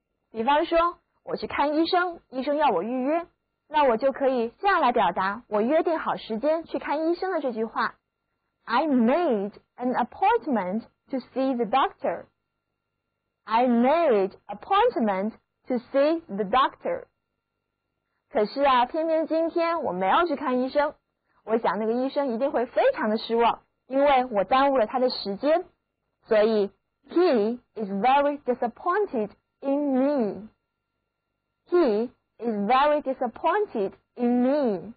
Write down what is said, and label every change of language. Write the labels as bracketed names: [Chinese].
[Chinese] 比方说，我去看医生，医生要我预约，那我就可以这样来表达我约定好时间去看医生的这句话。 [English] I made an appointment to see the doctor. I made an appointment to see the doctor. [Chinese] 可是啊，偏偏今天我没有去看医生，我想那个医生一定会非常的失望，因为我耽误了他的时间。所以 [English] He is very disappointed in me. He is very disappointed in me.